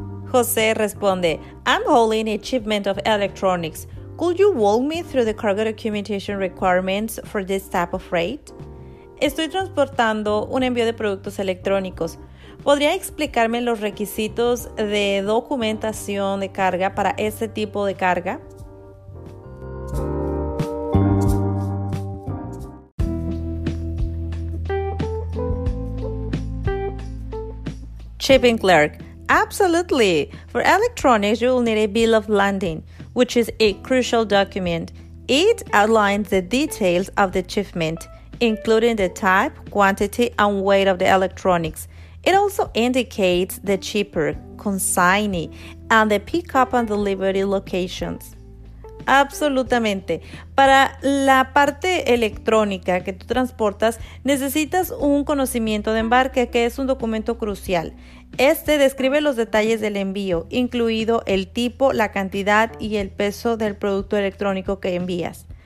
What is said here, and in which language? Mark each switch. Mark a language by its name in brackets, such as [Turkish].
[English] José [Spanish] responde, [English] "I'm hauling a shipment of electronics. Could you walk me through the cargo documentation requirements for this type of freight?" [Spanish] Estoy transportando un envío de productos electrónicos. ¿Podría explicarme los requisitos de documentación de carga para este tipo de carga? [English] Shipping clerk, "Absolutely. For electronics, you will need a bill of lading, which is a crucial document. It outlines the details of the shipment, including the type, quantity, and weight of the electronics. It also indicates the shipper, consignee, and the pickup and delivery locations." [Spanish] Absolutamente. Para la parte electrónica que tú transportas, necesitas un conocimiento de embarque, que es un documento crucial. Este describe los detalles del envío, incluido el tipo, la cantidad y el peso del producto electrónico que envías.